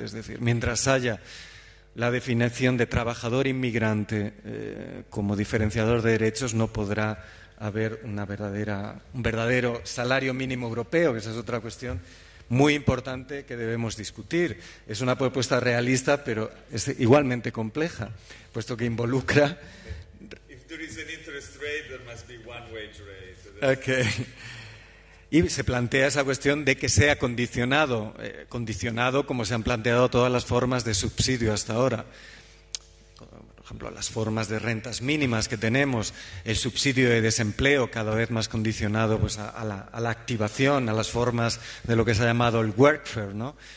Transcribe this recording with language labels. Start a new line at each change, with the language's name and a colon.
Spanish: Es decir, mientras haya la definición de trabajador inmigrante como diferenciador de derechos, no podrá haber un verdadero salario mínimo europeo, que esa es otra cuestión muy importante que debemos discutir. Es una propuesta realista, pero es igualmente compleja, puesto que involucra.
English: If there is an interest rate, there must be one wage rate.
Spanish: Okay. Y se plantea esa cuestión de que sea condicionado, condicionado como se han planteado todas las formas de subsidio hasta ahora. Por ejemplo, las formas de rentas mínimas que tenemos, el subsidio de desempleo cada vez más condicionado pues, a la activación, a las formas de lo que se ha llamado el workfare, ¿no?